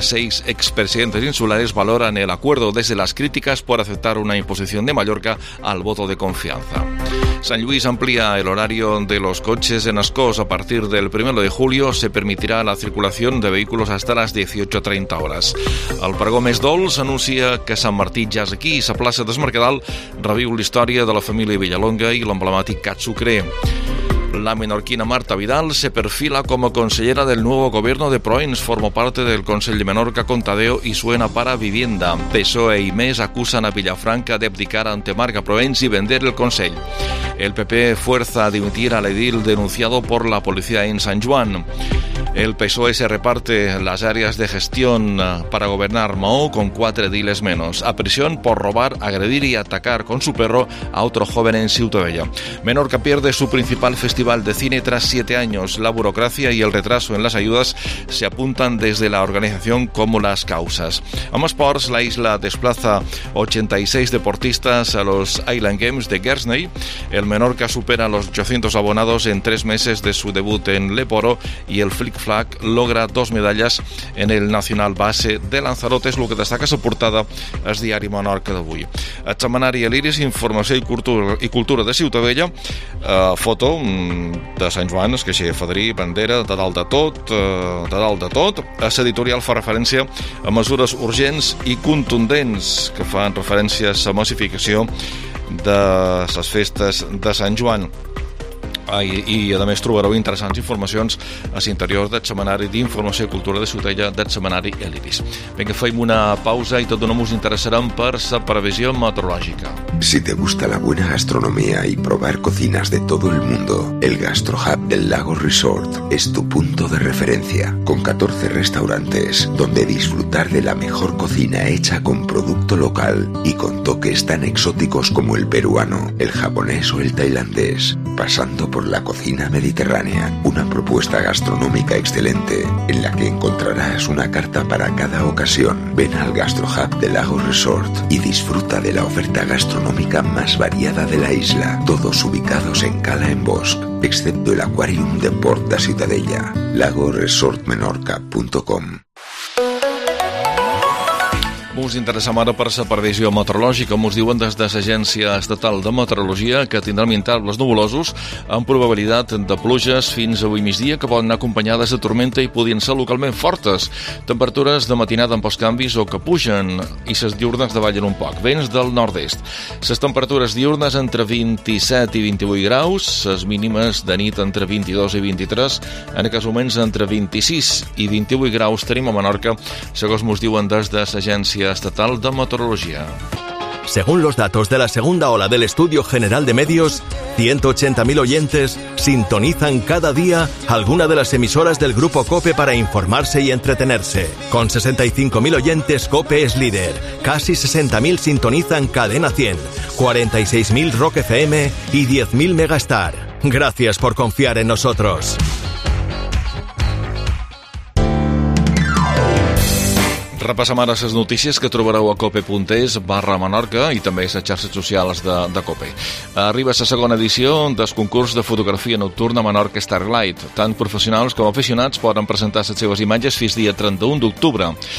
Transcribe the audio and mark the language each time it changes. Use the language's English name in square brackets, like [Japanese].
[Spanish] 6 expresidentes insulares valoran el acuerdo desde las críticas por aceptar una imposición de Mallorca al voto de confianza. San Lluís amplía el horario de los coches en Ascós. A partir del 1 de julio se permitirá la circulación de vehículos hasta las 18:30 horas. [Catalan] El pregó més dolç anuncia que Sant Martí ja és aquí i la plaça d'Es Mercadal reviu l'història de la família Villalonga i l'emblemàtic Cat Sucre. [Spanish] La menorquina Marta Vidal se perfila como consellera del nuevo gobierno de Proens. Formó parte del Consell de Menorca con Tadeo y suena para Vivienda. PSOE y MES acusan a Villafranca de abdicar ante Marga Proens y vender el Consell. El PP fuerza a dimitir al edil denunciado por la policía en San Juan. El PSOE se reparte las áreas de gestión para gobernar Mahó con 4 ediles menos. A prisión por robar, agredir y atacar con su perro a otro joven en Ciutadella. Menorca pierde su principal festival de cine tras 7 años. La burocracia y el retraso en las ayudas se apuntan desde la organización como las causas. Amb esports, la isla desplaza 86 deportistas a los Island Games de Guernsey. El Menorca supera los 800 abonados en 3 meses de su debut en Le Poro y el Flick Flag logra 2 medallas en el Nacional Base de Lanzarote. [Catalan] És el que destaca la portada al diari Menorca d'avui. El setmanari El Iris, informació i cultura de Ciutadella. Foto de Sant Joan, es queixer, fadrí, bandera, de dalt de tot, de dalt de tot. Aquest editorial fa referència a mesures urgents i contundents que fan referència a la massificació de les festes de Sant Joan. I a més trobareu interessants informacions a l'interior del setmanari d'informació i cultura de Ciutella del setmanari El Iris. Vinga, fem una pausa i tot d'una mos interessarem per la previsió meteorològica. [Spanish] Si te gusta la buena gastronomía y probar cocinas de todo el mundo, el GastroHub del Lago Resort es tu punto de referencia, con 14 restaurantes donde disfrutar de la mejor cocina hecha con producto local y con toques tan exóticos como el peruano, el japonés o el tailandés, pasando por la cocina mediterránea, una propuesta gastronómica excelente en la que encontrarás una carta para cada ocasión. Ven al GastroHub del Lago Resort y disfruta de la oferta gastronómica más variada de la isla, todos ubicados en Cala en Bosch, excepto el Aquarium de Port de Ciutadella. LagoResortMenorca.com. [Catalan] Us interessem ara per la previsió meteorològica. Us diuen des de l'Agència Estatal de Meteorologia que tindrà intervals nuvolosos amb probabilitat de pluges fins avui migdia que poden anar acompanyades de tormenta i podien ser localment fortes. Temperatures de matinada amb pocs canvis o que pugen i les diurnes davallen un poc. Vents del nord-est. Les temperatures diurnes entre 27 i 28 graus, les mínimes de nit entre 22 i 23, en aquests moments entre 26 i 28 graus tenim a Menorca, segons us diuen des de l'Agència Estatal de Meteorología. [Spanish] Según los datos de la segunda ola del Estudio General de Medios, 180.000 oyentes sintonizan cada día alguna de las emisoras del Grupo COPE para informarse y entretenerse. Con 65.000 oyentes, COPE es líder. Casi 60.000 sintonizan Cadena 100, 46.000 Rock FM y 10.000 Megastar. Gracias por confiar en nosotros. [Catalan] Repassem ara les notícies que trobareu a cope.es/Menorca i també a les xarxes socials de COPE. Arriba la segona edició del concurs de fotografia nocturna Menorca Starlight. Tant professionals com aficionats poden presentar les seves imatges fins dia 31 d'octubre.